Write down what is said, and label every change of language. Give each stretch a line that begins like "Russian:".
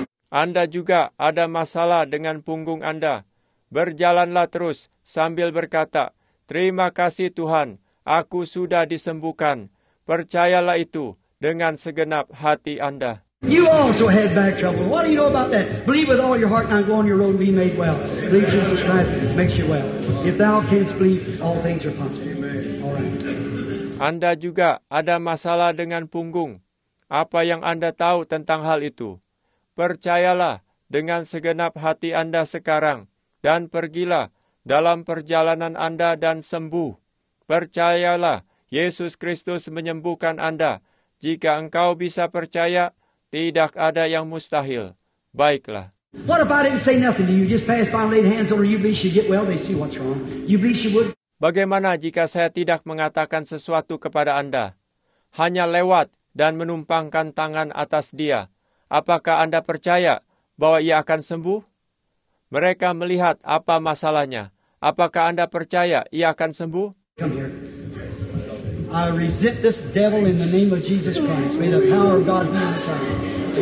Indonesian: Anda juga ada masalah dengan punggung Anda. Berjalanlah terus sambil berkata, terima kasih Tuhan, aku sudah disembuhkan. Percayalah itu dengan segenap hati Anda.
English: You also had back trouble. What do you know about that? Believe with all your heart and go on your road and be made well. Believe Jesus Christ makes you well. If thou canst believe, all things are possible. Amen. All right.
Indonesian: Anda juga ada masalah dengan punggung. Apa yang Anda tahu tentang hal itu? Percayalah dengan segenap hati Anda sekarang dan pergilah dalam perjalanan Anda dan sembuh. Percayalah, Yesus Kristus menyembuhkan Anda. Jika engkau bisa percaya, tidak ada yang mustahil. Baiklah.
English: What if I didn't say nothing to you? Just pass by and laid hands on her. You believe she'd get well? They see what's wrong. You believe she would?
Indonesian: Bagaimana jika saya tidak mengatakan sesuatu kepada Anda? Hanya lewat dan menumpangkan tangan atas dia. Apakah Anda percaya bahwa ia akan sembuh? Mereka melihat apa masalahnya. Apakah Anda percaya ia akan sembuh?
English: Come here. I resist this devil in the name of Jesus Christ. May the power of God be in the child.